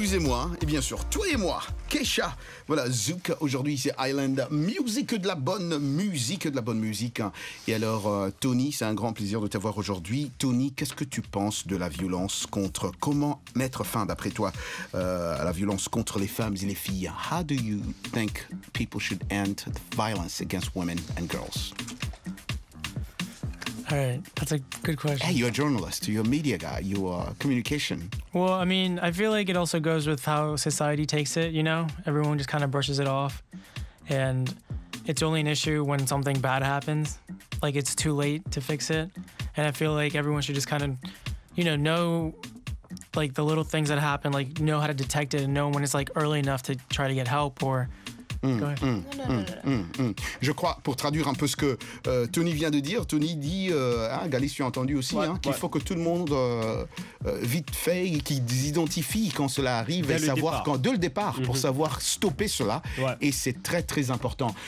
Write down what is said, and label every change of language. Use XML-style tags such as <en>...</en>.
<fr>hein, et bien sûr toi et moi, Keisha. Voilà, Zouk, aujourd'hui c'est Island Music, de la bonne musique, de la bonne musique. Et alors Tony, c'est un grand plaisir de t'avoir aujourd'hui. Tony, qu'est-ce que tu penses de la violence contre, comment mettre fin d'après toi à la violence contre les femmes et les filles?</fr> <en>How do you think people should end the violence against women and girls? All right, that's a good question. Hey, you're a journalist, you're a media guy, you're communication. Well, I mean, I feel like it also goes with how society takes it, you know? Everyone just kind of brushes it off. And it's only an issue when something bad happens. Like, it's too late to fix it. And I feel like everyone should just kind of, you know, like, the little things that happen, like, know how to detect it and know when it's, like, early enough to try to get help or...</en> <fr>Je crois, pour traduire un peu ce que Tony vient de dire, Tony dit, hein, Galice, tu as entendu aussi, ouais, hein, ouais, qu'il faut que tout le monde vite fait, qu'ils identifient quand cela arrive, dès et savoir quand, dès le départ, mm-hmm, pour savoir stopper cela. Ouais. Et c'est très très important.</fr>